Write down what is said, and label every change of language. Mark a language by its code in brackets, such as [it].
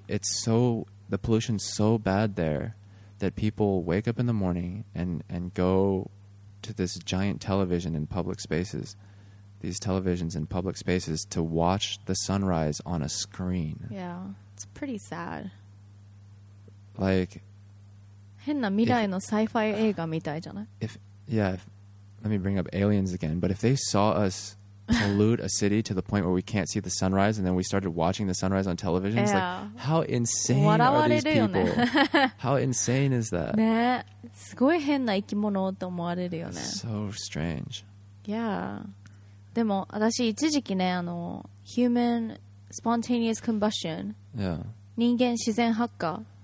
[en] The pollution's so bad there that people wake up in the morning and go to this giant television in public spaces. These televisions in public spaces to watch the sunrise on a screen. Yeah, it's pretty sad. Like, [ja] 変な未来のサイファイ映画みたいじゃない? [en] If let me bring up aliens again. But if they saw us pollute a city to the point where we can't see the sunrise, and then we started watching the sunrise on television, yeah. It's like, how insane are these people? How insane is that? [ja] ね、すごい変な生き物と思われるよね。 [en] So strange. Yeah. [ja] でも私一時期ねあの [en] human spontaneous combustion、 yeah. [ja] 人間自然発火、